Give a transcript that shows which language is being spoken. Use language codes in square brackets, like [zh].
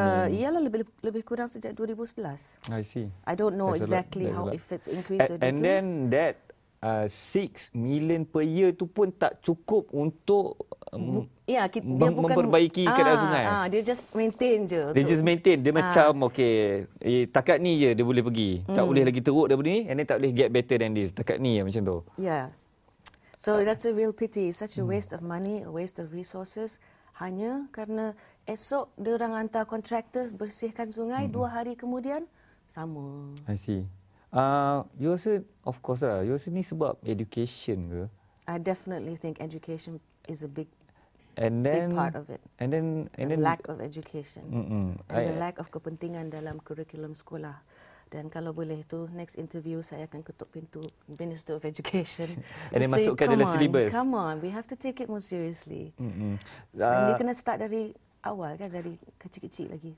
[ms] Ialah lebih kurang sejak 2011. [en] I see. I don't know exactly how if it's increased or decreased. And then that 6 million per year [ms] tu pun tak cukup untuk memperbaiki keadaan sungai. Dia just maintain je. Dia just maintain. Dia macam, okay, takat ni je dia boleh pergi. Tak boleh lagi teruk daripada ni. And then tak boleh [en] get better than this. [ms] Takat ni je macam tu. [en] Yeah. So that's a real pity. Such a waste of money, a waste of resources. [ms] Hanya kerana esok dia orang hantar contractors bersihkan sungai, dua hari kemudian, sama. [en] I see. You also, of course lah, you also ni sebab education ke? I definitely think education is a big, and then, big part of it. And then, the lack of education. The lack of [ms] kepentingan dalam kurikulum sekolah. Dan kalau boleh tu, next interview saya akan ketuk pintu Minister of Education. And then masukkan dalam syllabus. [en] Come on, we have to take it more seriously. [ms] And dia kena start dari awal kan, dari kecil-kecil lagi.